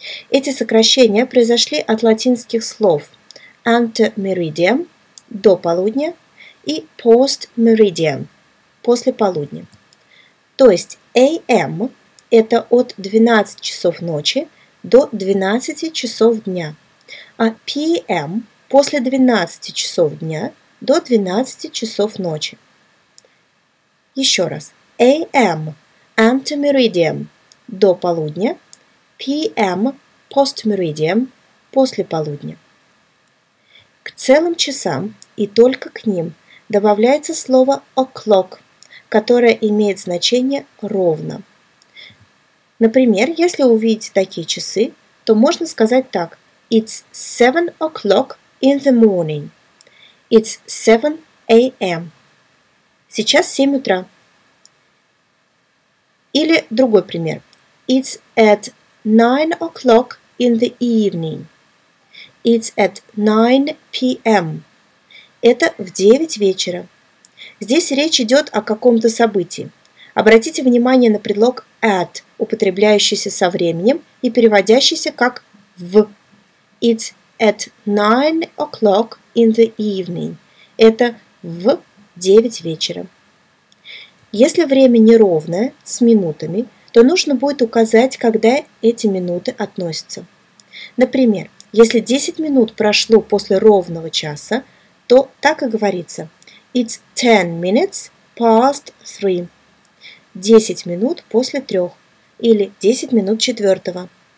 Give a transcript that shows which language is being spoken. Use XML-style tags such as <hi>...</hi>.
<ru>Эти сокращения произошли от латинских слов</ru> <la>«ante meridiem»</la> <ru>– «до полудня», и</ru> <la>post meridian</la> <ru>– после полудня. То есть AM – это от 12 часов ночи до 12 часов дня, а PM – после 12 часов дня до 12 часов ночи. Еще раз. AM –</ru> <la>ante meridian</la> <ru>– до полудня, PM –</ru> <la>post meridian</la> <ru>– после полудня. К целым часам и только к ним – добавляется слово o'clock, которое имеет значение ровно. Например, если увидите такие часы, то можно сказать так:</ru> <en>It's 7 o'clock in the morning. It's 7 a.m.</en> <ru>Сейчас 7 утра. Или другой пример:</ru> <en>It's at 9 o'clock in the evening. It's at 9 p.m.</en> <ru>Это в 9 вечера. Здесь речь идет о каком-то событии. Обратите внимание на предлог at, употребляющийся со временем и переводящийся как в.</ru> <en>It's at 9 o'clock in the evening.</en> <ru>Это в 9 вечера. Если время неровное, с минутами, то нужно будет указать, когда эти минуты относятся. Например, если 10 минут прошло после ровного часа, то так и говорится</ru> <en>«It's 10 minutes past 3»</en> <ru>– 10 минут после 3, или 10 минут четвертого.</ru>